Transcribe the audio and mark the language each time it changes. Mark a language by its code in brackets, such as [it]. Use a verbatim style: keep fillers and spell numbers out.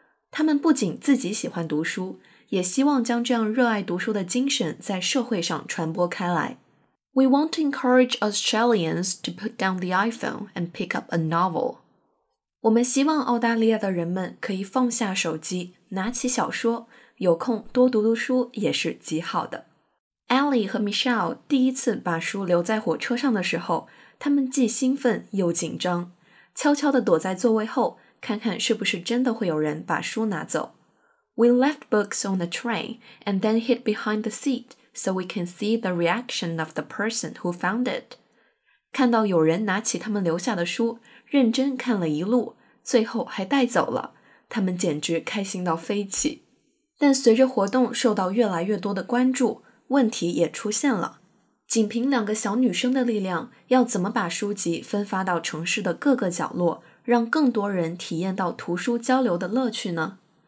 [zh] 他们不仅自己喜欢读书，也希望将这样热爱读书的精神在社会上传播开来。 [en] We want to encourage Australians to put down the iPhone and pick up a novel. [zh] 我们希望澳大利亚的人们可以放下手机，拿起小说，有空多读读书也是极好的。 Ali 和 Michelle 第一次把书留在火车上的时候，他们既兴奋又紧张，悄悄地躲在座位后，看看是不是真的会有人把书拿走。 [en] We left books on the train and then hid behind the seat so we can see the reaction of the person who found it. [zh] 看到有人拿起他们留下的书，认真看了一路，最后还带走了，他们简直开心到飞起。但随着活动受到越来越多的关注，问题也出现了。仅凭两个小女生的力量，要怎么把书籍分发到城市的各个角落，让更多人体验到图书交流的乐趣呢？